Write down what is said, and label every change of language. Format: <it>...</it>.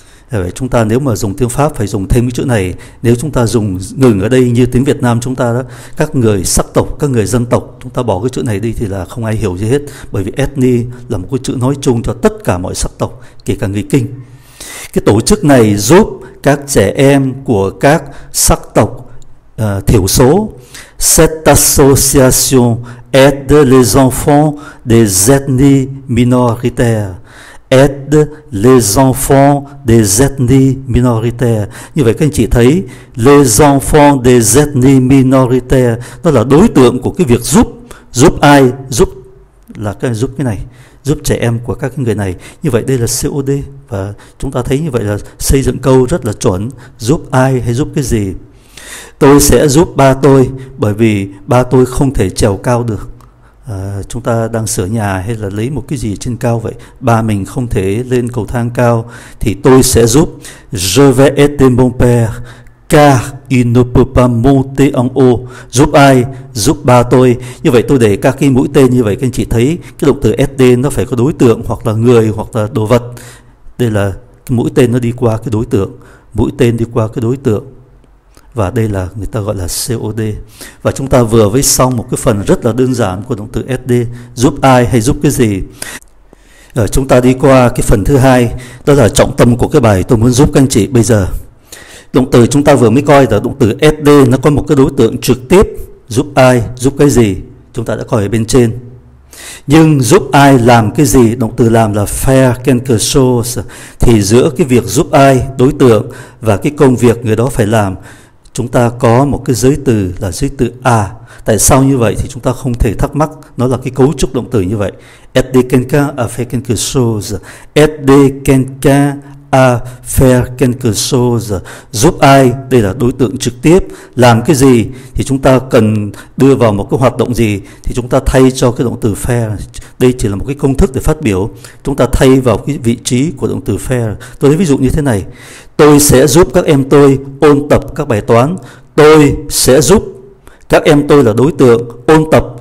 <vi>Vậy chúng ta nếu mà dùng tiếng Pháp phải dùng thêm cái chữ này. Nếu chúng ta dùng ngừng ở đây như tiếng Việt Nam chúng ta đó, các người sắc tộc, các người dân tộc, chúng ta bỏ cái chữ này đi thì là không ai hiểu gì hết. Bởi vì ethni là một cái chữ nói chung cho tất cả mọi sắc tộc, kể cả người Kinh. Cái tổ chức này giúp các trẻ em của các sắc tộc thiểu số.</vi> <fr>Cette association aide les enfants des ethnies minoritaires. Aide les enfants des ethnies minoritaires.</fr> <vi>Như vậy các anh chị thấy,</vi> <fr>les enfants des ethnies minoritaires,</fr> <vi>đó là đối tượng của cái việc giúp. Giúp ai? Giúp là cái giúp cái này, giúp trẻ em của các người này. Như vậy đây là COD, và chúng ta thấy như vậy là xây dựng câu rất là chuẩn. Giúp ai hay giúp cái gì? Tôi sẽ giúp ba tôi, bởi vì ba tôi không thể trèo cao được. Chúng ta đang sửa nhà hay là lấy một cái gì trên cao vậy, ba mình không thể lên cầu thang cao, thì tôi sẽ giúp.</vi> <fr>Je vais aider mon père car il ne peut pas monter en haut.</fr> <vi>Giúp ai? Giúp ba tôi. Như vậy tôi để các cái mũi tên như vậy, các anh chị thấy cái động từ SD nó phải có đối tượng, hoặc là người, hoặc là đồ vật. Đây là cái mũi tên nó đi qua cái đối tượng, mũi tên đi qua cái đối tượng. Và đây là người ta gọi là COD. Và chúng ta vừa với xong một cái phần rất là đơn giản của động từ SD, giúp ai hay giúp cái gì. Chúng ta đi qua cái phần thứ hai, đó là trọng tâm của cái bài tôi muốn giúp các anh chị bây giờ. Động từ chúng ta vừa mới coi là động từ SD, nó có một cái đối tượng trực tiếp, giúp ai, giúp cái gì, chúng ta đã coi ở bên trên. Nhưng giúp ai làm cái gì, động từ làm là</vi> <fr>faire quelque chose,</fr> <vi>thì giữa cái việc giúp ai, đối tượng, và cái công việc người đó phải làm, chúng ta có một cái giới từ là giới từ à. Tại sao như vậy thì chúng ta không thể thắc mắc. Nó là cái cấu trúc động từ như vậy.</vi> <fr>Aider quelqu'un à faire quelque chose. Aider quelqu'un à faire quelque chose.</fr> <vi>Giúp ai? Đây là đối tượng trực tiếp. Làm cái gì? Thì chúng ta cần đưa vào một cái hoạt động gì? Thì chúng ta thay cho cái động từ faire. Đây chỉ là một cái công thức để phát biểu. Chúng ta thay vào cái vị trí của động từ faire. Tôi lấy ví dụ như thế này. Tôi sẽ giúp các em tôi ôn tập các bài toán. Tôi sẽ giúp các em tôi là đối tượng ôn tập.</vi>